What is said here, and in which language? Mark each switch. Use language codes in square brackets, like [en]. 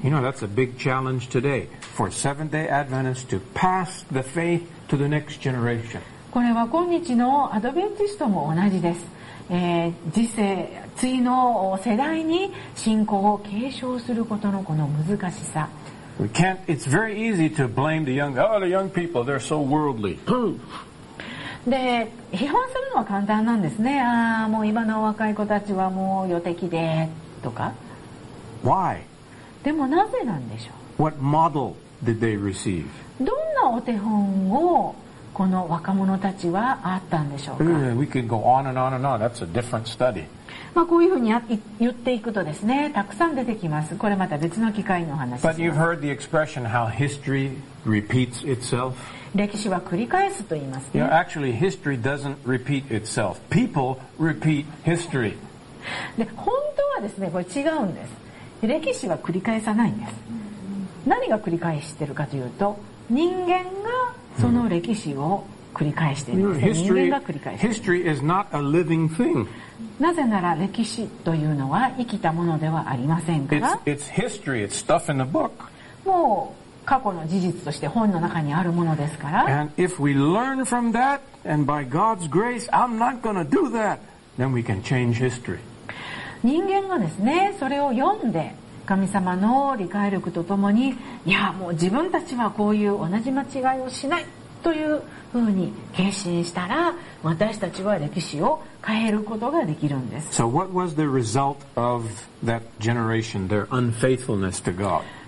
[en] You know, that's a big challenge today for Seventh-day Adventists to pass the faith to the next generation. [ja] これは今日のアドベンチストも同じです。次世、次の世代に信仰を継承することのこの難しさ。 [en] We can't. It's very easy to blame the young. Oh, the young people. They're so worldly. [ja] で、批判するのは簡単なんですね。ああ、もう今の若い子たちはもう予的でとか。 [en] Why? [ja] でもなぜなんでしょう。 [en] What model did they receive? [ja] どんなお手本をこの若者たちはあったんでしょうか。 [en] We can go on and on and on. That's a different study. [ja] まあ、こういうふうに言っていくとですね、たくさん出てきます。これまた別の機会の話です。 [en] But you've heard the expression how history repeats itself. [ja] 歴史は繰り返すと言いますね。 [en] You know, actually, history doesn't repeat itself. People repeat history. [ja] で、本当はですね、これ違うんです。歴史は繰り返さないんです。何が繰り返してるかというと、人間がその歴史を繰り返しているんです。 History, 人間が繰り返している。 [en] History is not a living thing. [ja] なぜなら歴史というのは生きたものではありませんから。 [en] It's history. It's stuff in the book. [ja] もう過去の事実として本の中にあるものですから。 [en] And if we learn from that and by God's grace I'm not going to do that then we can change history. [ja] 人間がですねそれを読んで神様の理解力とともに、いやもう自分たちはこういう同じ間違いをしないというふうに決心したら、私たちは歴史を変えることができるんです。 [en] So what was the result of that generation, their unfaithfulness to God?